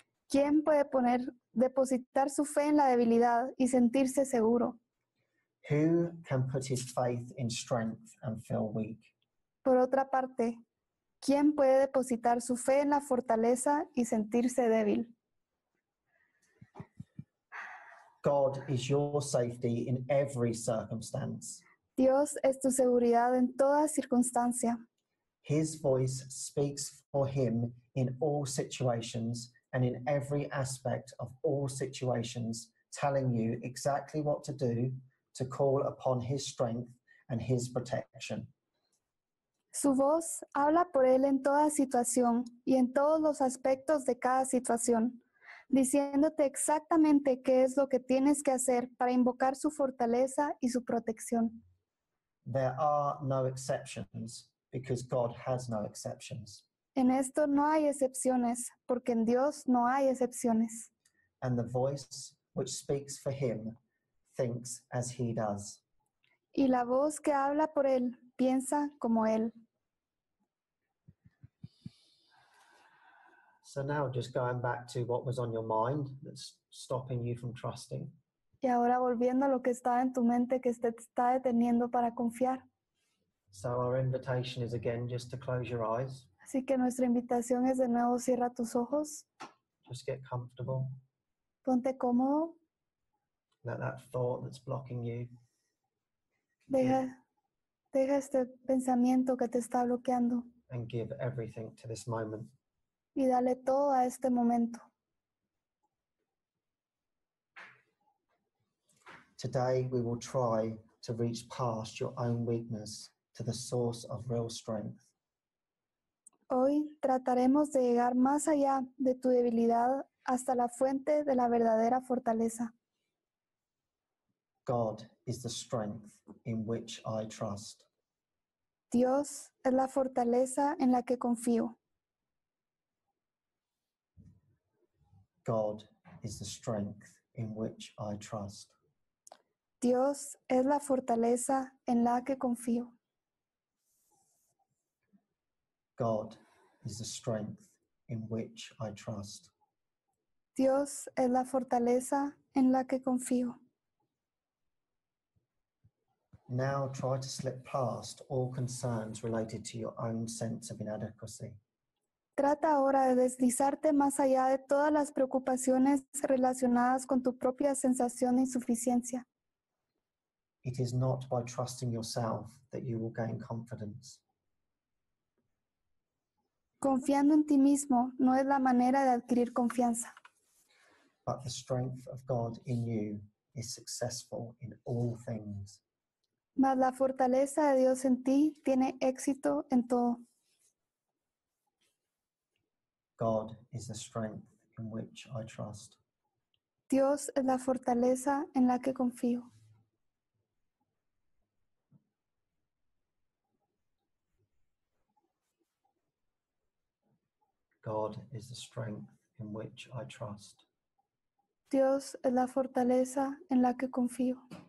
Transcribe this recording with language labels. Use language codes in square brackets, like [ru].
[es] ¿Quién puede poner, depositar su fe en la debilidad y sentirse seguro? [en] Who can put his faith in strength and feel weak? [es] Por otra parte, ¿quién puede depositar su fe en la fortaleza y sentirse débil? [en] God is your safety in every circumstance. [es] Dios es tu seguridad en toda circunstancia. [en] His voice speaks for him in all situations and in every aspect of all situations, telling you exactly what to do to call upon his strength and his protection. [es] Su voz habla por él en toda situación y en todos los aspectos de cada situación, diciéndote exactamente qué es lo que tienes que hacer para invocar su fortaleza y su protección. [en] There are no exceptions because God has no exceptions. [es] En esto no hay excepciones, porque en Dios no hay excepciones. [en] And the voice which speaks for him thinks as he does. [es] Y la voz que habla por él piensa como él. [en] So now just going back to what was on your mind that's stopping you from trusting. [es] Y ahora volviendo a lo que estaba en tu mente que te está deteniendo para confiar. [en] So our invitation is again just to close your eyes. [es] Así que nuestra invitación es de nuevo cierra tus ojos. [en] Just get comfortable. [es] Ponte cómodo. [en] Let that thought that's blocking you. [es] Deja este pensamiento que te está bloqueando. [en] And give everything to this moment. [es] Y dale todo a este momento. [en] Today we will try to reach past your own weakness to the source of real strength. [es] Hoy trataremos de llegar más allá de tu debilidad hasta la fuente de la verdadera fortaleza. [en] God is the strength in which I trust. [es] Dios es la fortaleza en la que confío. [en] God is the strength in which I trust. [es] Dios es la fortaleza en la que confío. [en] God is the strength in which I trust. [es] Dios es la fortaleza en la que confío. [en] Now try to slip past all concerns related to your own sense of inadequacy. [es] Trata ahora de deslizarte más allá de todas las preocupaciones relacionadas con tu propia sensación de insuficiencia. [en] It is not by trusting yourself that you will gain confidence. [es] Confiando en ti mismo no es la manera de adquirir confianza. [en] But the strength of God in you is successful in all things. [es] Mas la fortaleza de Dios en ti tiene éxito en todo. [en] God is the strength in which I trust. [es] Dios es la fortaleza en la que confío. [en] God is the strength in which I trust. [es] Dios es la fortaleza en la que confío.